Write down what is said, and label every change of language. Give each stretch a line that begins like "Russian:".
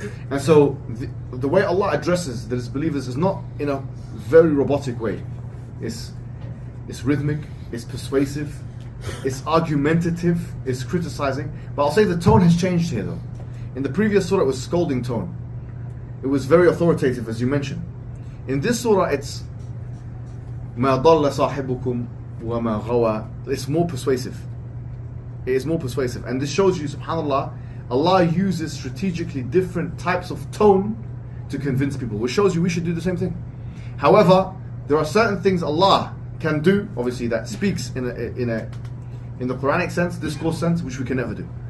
English: And so the way Allah addresses the disbelievers is not in a very robotic way. It's rhythmic, it's persuasive, it's argumentative, it's criticizing. But I'll say the tone has changed here though. In the previous surah it was scolding tone. It was very authoritative, as you mentioned. In this surah it's
Arabic: مَا ضَلَّ صَاحِبُكُمْ وَمَا غَوَى.
English: It's more persuasive. It is more persuasive. And this shows you, subhanAllah, Allah uses strategically different types of tone to convince people, which shows you we should do the same thing. However, there are certain things Allah can do, obviously, that speaks in the Quranic sense, discourse sense, which we can never do.